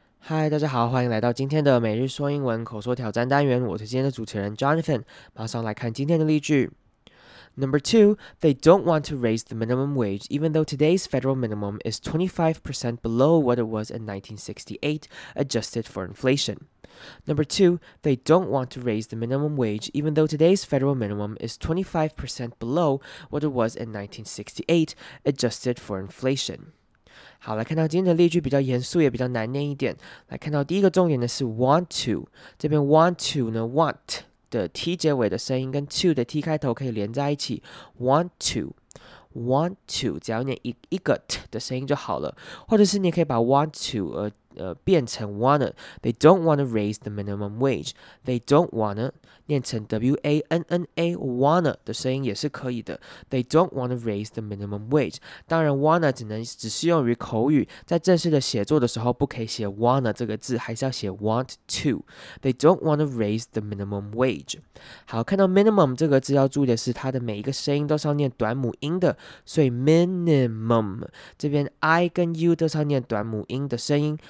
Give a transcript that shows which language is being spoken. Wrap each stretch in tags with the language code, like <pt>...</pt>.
<zh>嗨，大家好，欢迎来到今天的每日说英文口说挑战单元。我是今天的主持人 Jonathan。马上来看今天的例句。</zh> <en>Number two, they don't want to raise the minimum wage, even though today's federal minimum is 25% below what it was in 1968, adjusted for inflation. Number two, they don't want to raise the minimum wage, even though today's federal minimum is 25% below what it was in 1968, adjusted for inflation.</en> <zh>好，来看到今天的例句比较严肃，也比较难念一点。来看到第一个重点的是 want to， 这边 want to 呢 ，want 的 t 结尾的声音跟 to 的 t 开头可以连在一起 ，want to，want to， 只要念一个 t 的声音就好了。或者是你可以把 want to 变成 wanna。</zh> <en>They don't wanna raise the minimum wage. They don't wanna 念成 w a n n a wanna</en> <zh>的声音也是可以的。</zh> <en>They don't wanna raise the minimum wage.</en> <zh>当然 wanna 只适用于口语，在正式的写作的时候不可以写 wanna 这个字，还是要写 want to.</zh> <en>They don't wanna raise the minimum wage.</en> <zh>好，看到 minimum 这个字要注意的是，它的每一个声音都是要念短母音的，所以 minimum 这边 i 跟 u 都是要念短母音的声音。</zh>